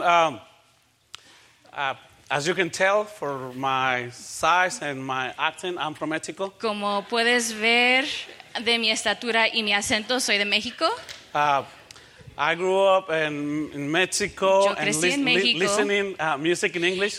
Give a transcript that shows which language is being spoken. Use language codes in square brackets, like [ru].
[en] And as you can tell for my size and my accent, I'm from Mexico. [es] Como puedes ver de mi estatura y mi acento, soy de México. [en] I grew up in Mexico and listening music in English.